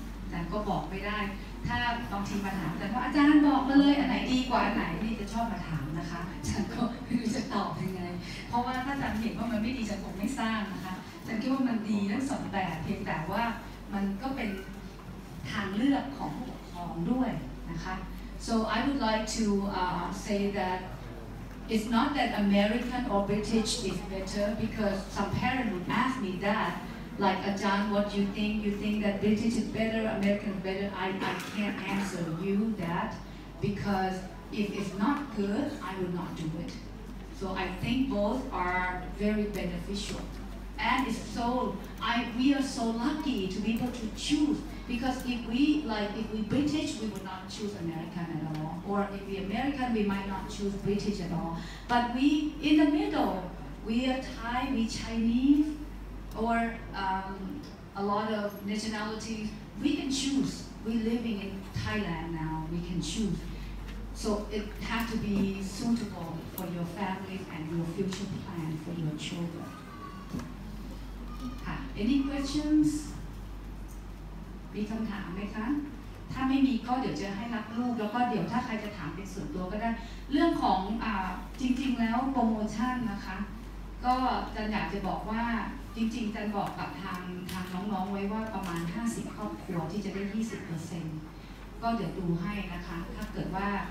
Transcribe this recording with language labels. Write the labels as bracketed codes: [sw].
[th] แต่ก็บอกไม่ได้ถ้าต้องทีมาถามแต่ว่าอาจารย์บอกมาเลยอันไหนดีกว่าอันไหนนี่จะชอบมาถามนะคะฉันก็ไม่รู้จะตอบยังไงเพราะว่าถ้าอาจารย์เห็นว่ามันไม่ดีฉันคงไม่สร้างนะคะฉันคิดว่ามันดีทั้งสองแบบเพียงแต่ว่ามันก็เป็นทางเลือกของผู้ปกครองด้วยนะคะ [en] so I would like to say that it's not that American or British is better because some parent would ask me thatLike, Ajahn, what do you think? You think that British is better, American is better? I can't answer you that because if it's not good, I will not do it. So I think both are very beneficial. And it's so, we are so lucky to be able to choose because if we British, we would not choose American at all. Or if we American, we might not choose British at all. But we, in the middle, we are Thai, we Chinese,or a lot of nationalities, we can choose. We're living in Thailand now, we can choose. So it has to be suitable for your family and your future plan for your children. Any questions? [th] มีคำถามไหมคะถ้าไม่มีก็เดี๋ยวจะให้รับลูกแล้วก็เดี๋ยวถ้าใครจะถามเป็นส่วนตัวก็ได้เรื่องของจริงๆแล้วโปรโมชั่นนะคะก็จะอยากจะบอกว่าจริงๆจันบอกกับทางน้องๆไว้ว่าประมาณ50ครอบครัวที่จะได้ 20% ก็เดี๋ยวดูให้นะคะถ้าเกิดว่า